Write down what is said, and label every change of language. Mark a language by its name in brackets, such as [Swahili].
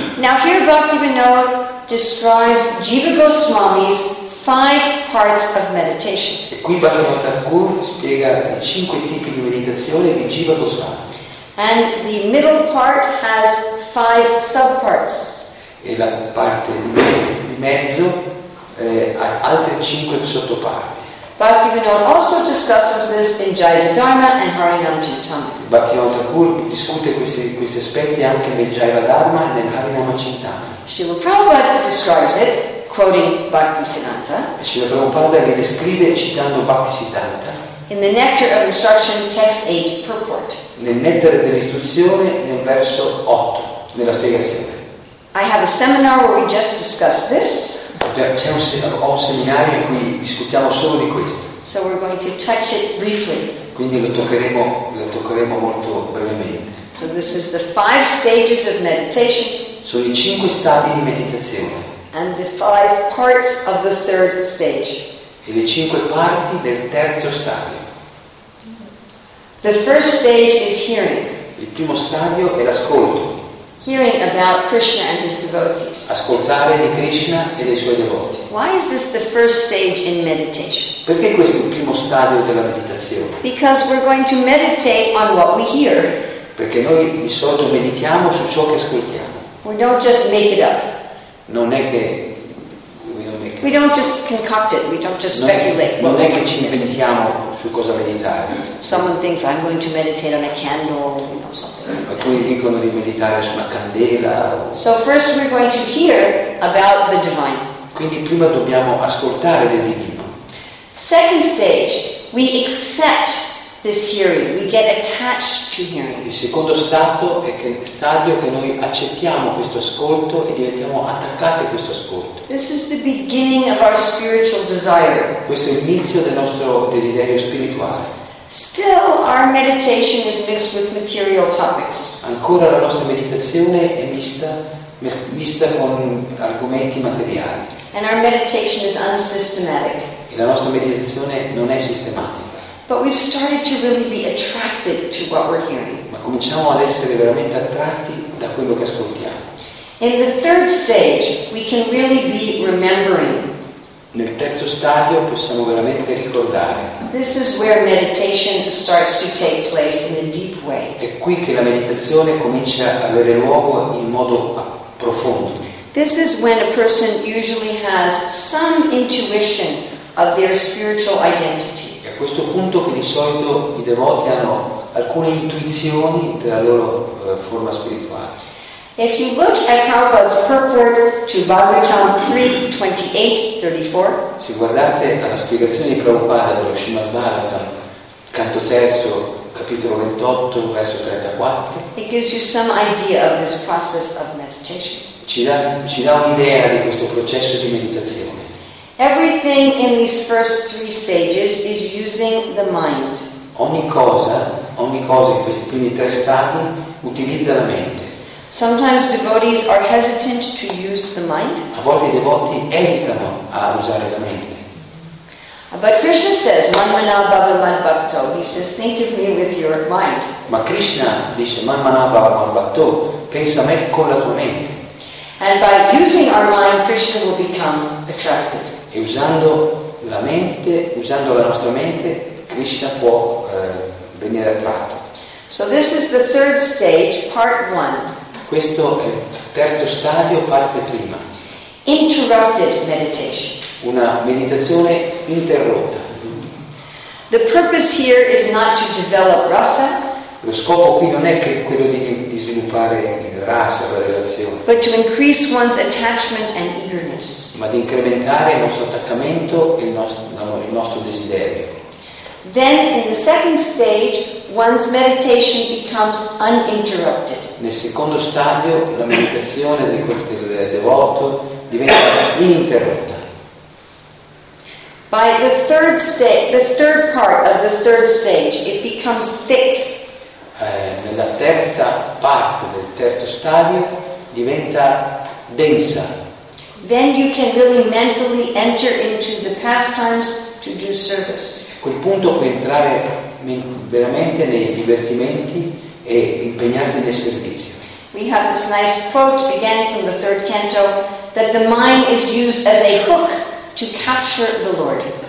[English] Now here Bhaktivinoda describes Jiva Goswami's five parts of meditation. [Italian] E qui Bhaktivinoda Thakur spiega i cinque tipi di meditazione di Jiva Goswami. [English] And the middle part has five subparts. [Italian] E la parte di mezzo ha altre cinque sottoparti. [English] Bhaktivinoda also discusses this in Jaiva Dharma and Harinam Chintamani. [Italian] Bhaktivinoda Thakur discute questi aspetti anche nel Jaiva Dharma e nel Harinam Chintamani. [English] Srila Prabhupada describes it, quoting Bhaktisiddhanta. [Italian] Srila Prabhupada li descrive citando Bhaktisiddhanta. [English] In the Nectar of Instruction, text 8, purport. [Italian] Nel nettare dell'istruzione, nel verso 8, nella spiegazione. [English] I have a seminar where we just discuss this. [Italian] Ho un seminario in cui discutiamo solo di questo. [English] So we're going to touch it briefly. [Italian] Quindi lo toccheremo molto brevemente. [English] So this is the five stages of meditation. [Italian] Sono i cinque stadi di meditazione. [English] And the five parts of the third stage. [Italian] E le cinque parti del terzo stadio. [English] The first stage is hearing. [Italian] Il primo stadio è l'ascolto. [English] Hearing about Krishna and his devotees. [Italian] Ascoltare di Krishna e dei suoi devoti. [English] Why is this the first stage in meditation? [Italian] Perché questo è il primo stadio della meditazione? [English] Because we're going to meditate on what we hear. [Italian] Perché noi di solito meditiamo su ciò che ascoltiamo. [English] We don't just make it up. [Italian] Non è che [English] we don't just concoct it, we don't just speculate. [Italian] Non è che ci inventiamo su cosa meditare. [English] Someone thinks I'm going to meditate on a candle, you know, something. [Italian] Alcuni dicono di meditare su una candela. [English] So first we're going to hear about the divine. [Italian] Quindi prima dobbiamo ascoltare del divino. [English] Second stage, we accept this hearing. We get attached to hearing. [Italian] Il secondo stato è che stadio che noi accettiamo questo ascolto e diventiamo attaccati a questo ascolto. [English] This is the beginning of our spiritual desire. [Italian] Questo è l'inizio del nostro desiderio spirituale. [English] Still, our meditation is mixed with material topics. [Italian] Ancora la nostra meditazione è mista con argomenti materiali. [English] And our meditation is unsystematic. [Italian] E la nostra meditazione non è sistematica. [English] But we've started to really be attracted to what we're hearing. [Italian] Ma cominciamo ad essere veramente attratti da quello che ascoltiamo. [English] In the third stage, we can really be remembering. [Italian] Nel terzo stadio possiamo veramente ricordare. [English] This is where meditation starts to take place in a deep way. [Italian] È qui che la meditazione comincia ad avere luogo in modo profondo. [English] This is when a person usually has some intuition of their spiritual identity. [Italian] È a questo punto che di solito i devoti hanno alcune intuizioni della loro forma spirituale. [English] If you look at Prabhupada's purport to Bhagavatam 3:28-34, [Italian] se guardate alla spiegazione di Prabhupada dello Srimad Bhagavatam, canto terzo, capitolo 28, verso 34, [English] it gives you some idea of this process of meditation. [Italian] Ci dà un'idea di questo processo di meditazione. [English] Everything in these first three stages is using the mind. [Italian] Ogni cosa in questi primi tre stati utilizza la mente. [English] Sometimes devotees are hesitant to use the mind. [Italian] A volte i devoti esitano a usare la mente. [English] But Krishna says, [Sanskrit] "Manmana bhavaman bhakto." [English] He says, "Think of me with your mind." [Italian] Ma Krishna dice, [Sanskrit] "Manmana bhavaman bhakto." [Italian] Pensa a me con la tua mente. [English] And by using our mind, Krishna will become attracted. [Italian] E usando la mente, usando la nostra mente, Krishna può venire attratto. [English] So this is the third stage, part one. [Italian] Questo è il terzo stadio, parte prima. [English] Interrupted meditation. [Italian] Una meditazione interrotta. [English] The purpose here is not to develop rasa. [Italian] Lo scopo qui non è che quello di sviluppare il rasa, la relazione. [English] But to increase one's attachment and eagerness. [Italian] Ma di incrementare il nostro attaccamento e il nostro desiderio. [English] Then in the second stage, one's meditation becomes uninterrupted. [Italian] Nel secondo stadio, la meditazione del devoto diventa ininterrotta. [English] By the third stage, the third part of the third stage, it becomes thick. [Italian] Nella terza parte del terzo stadio diventa densa. [English] Then you can really mentally enter into the pastimes to do service. [Italian] Quel punto può entrare veramente nei divertimenti e impegnarti nel servizio. [English] We have this nice quote again from the third canto that the mind is used as a hook to capture the Lord.